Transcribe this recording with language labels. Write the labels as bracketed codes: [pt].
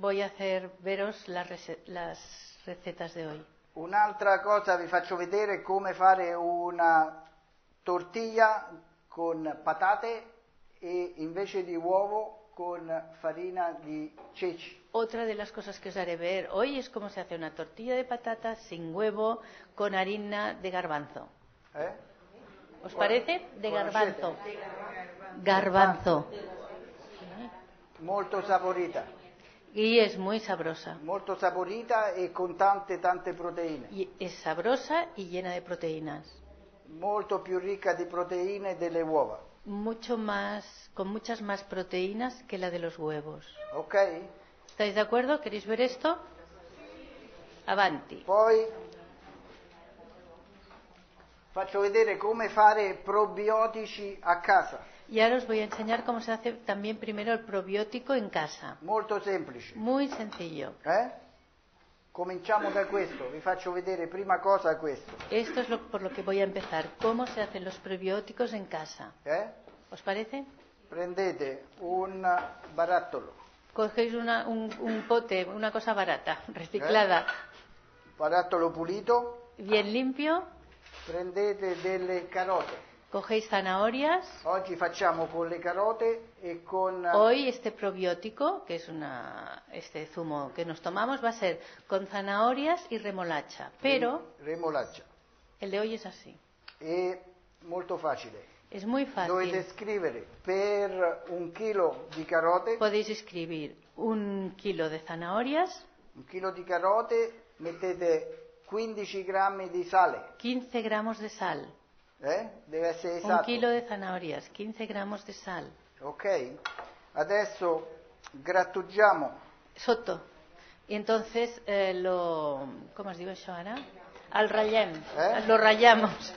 [es] voy a hacer veros las recetas de hoy. [it] Un'altra cosa vi faccio vedere come fare una tortilla con patate e invece di uovo con farina di ceci. [es] Otra de las cosas que os haré ver hoy es cómo se hace una tortilla de patatas sin huevo con harina de garbanzo. ¿Os parece? De garbanzo. Garbanzo. [it] Molto saporita. [es] Y es muy sabrosa. [it] Molto saporita e con tante tante proteine. [es] Y es sabrosa y llena de proteínas. [it] Molto più ricca di proteine delle uova. [es] Mucho más, con muchas más proteínas que la de los huevos. Ok. ¿Estáis de acuerdo? ¿Queréis ver esto? [it] Avanti. Poi faccio vedere come fare probiotici a casa. [es] Y ahora os voy a enseñar cómo se hace también primero el probiótico en casa. [it] Molto semplice. [es] Muy sencillo. [it] Cominciamo da questo. Vi faccio vedere prima cosa questo. [es] Esto es por lo que voy a empezar. ¿Cómo se hacen los probióticos en casa? ¿Os parece? [it] Prendete un barattolo. [es] Cogéis un pote, una cosa barata, reciclada. [it] Barattolo pulito. [es] Bien limpio. [it] Prendete delle carote. [es] Cogéis zanahorias. [it] Oggi facciamo con le carote e con. [es] Hoy este probiótico, que es una, este zumo que nos tomamos, va a ser con zanahorias y remolacha. Pero. Remolacha. El de hoy es así. Es [it] molto facile. [es] Es muy fácil. [it] Dovete scrivere per un kilo di carote. [es] Podéis escribir un kilo de zanahorias. [it] Un kilo di carote, mettete 15 grammi di sale. [es] 15 gramos de sal. [it] Deve essere esatto. Un chilo di zanahorie, 15 grammi di sal. Ok, adesso grattugiamo. Sotto. E [es] entonces lo. [it] Come si dice ciò ora? Al rayem. Lo rayiamo.